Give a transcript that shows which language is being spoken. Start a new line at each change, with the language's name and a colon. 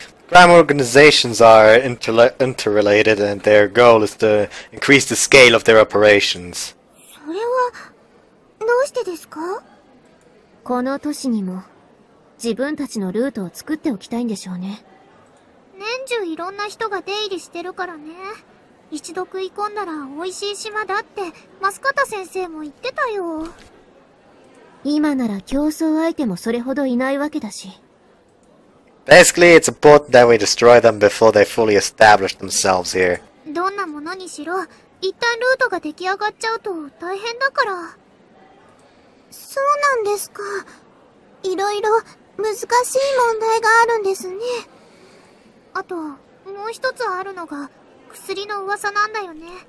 English: Crime organizations are interrelated, and their goal is to increase the scale of their operations.
Japanese: それはどうしてですか？この都市にも自分たちのルートを作っておきたいんでしょうね。年中いろんな人が出入りしてるからね。一度食い込んだら美味しい島だってマスカタ先生も言ってたよ。今なら競争相手もそれほどいないわけだし。
English: Basically, it's important that we destroy them before they fully establish themselves here.
Japanese: どんなものにしろ一旦ルートが出来上がっちゃうと大変だから。そうなんですか。いろいろ難しい問題があるんですね。あと、もう一つあるのが薬の噂なんだよね。